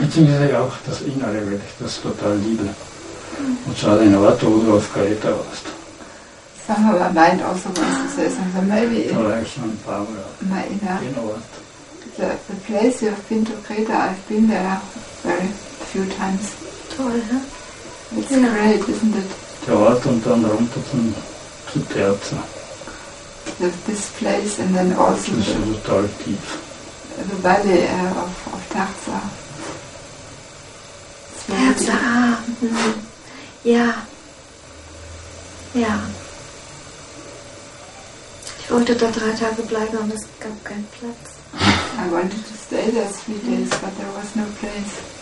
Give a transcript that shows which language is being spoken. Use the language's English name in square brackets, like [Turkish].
[German] Beziehungsweise auch das Innere, weil ich das total liebe. Und zwar den Ort, wo du auf Kreta warst. Sagen wir mal, Mind auch so was zu sagen. [English] So maybe in my inner, the place you have been to Kreta, I've been there very few times. [German] Toll, [English] ne? It's great, isn't it? [German] Der Ort und dann runter zum Terza. [English] This place and then also [German] das ist total tief. [English] The valley of Terza. [German] Terza, ja. Ja. Ich wollte da 3 Tage bleiben, aber es gab keinen Platz. [English] I wanted to stay there 3 days, but there was no place.